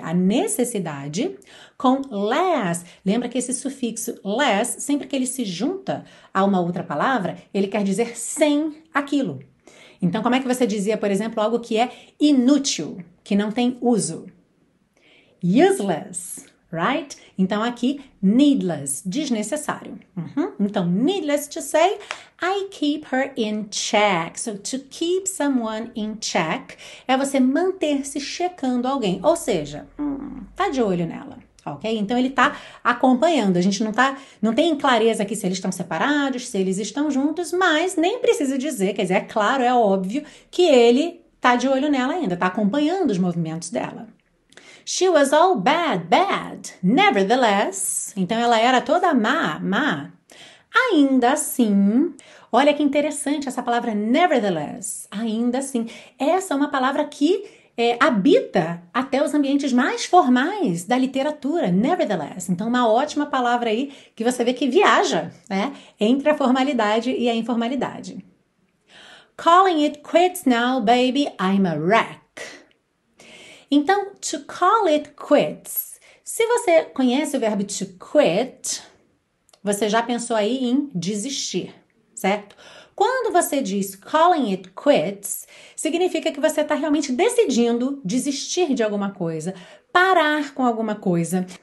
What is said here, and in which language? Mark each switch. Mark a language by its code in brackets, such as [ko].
[pt] A necessidade, com less. Lembra que esse sufixo less, sempre que ele se junta a uma outra palavra, ele quer dizer sem aquilo. Então, como é que você dizia, por exemplo, algo que é inútil, que não tem uso? [en] Useless, right? [pt] Então, aqui, needless, desnecessário. [en] Então, needless to say, I keep her in check. So, to keep someone in check [pt] é você manter-se checando alguém. Ou seja, tá de olho nela. Ok? Então, ele tá acompanhando. A gente não tem clareza aqui se eles estão separados, se eles estão juntos, mas nem precisa dizer, quer dizer, é claro, é óbvio que ele tá de olho nela ainda, tá acompanhando os movimentos dela. [en] She was all bad, bad. Nevertheless. [pt] Então, ela era toda má, má. Ainda assim, olha que interessante essa palavra nevertheless. Ainda assim. Essa é uma palavra que habita até os ambientes mais formais da literatura, nevertheless. Então, uma ótima palavra aí que você vê que viaja, né? Entre a formalidade e a informalidade. [en] Calling it quits now, baby, I'm a wreck. Então, to call it quits. [pt] Se você conhece o verbo to quit, você já pensou aí em desistir, certo? Quando você diz [en] calling it quits, [pt] significa que você está realmente decidindo desistir de alguma coisa, parar com alguma coisa.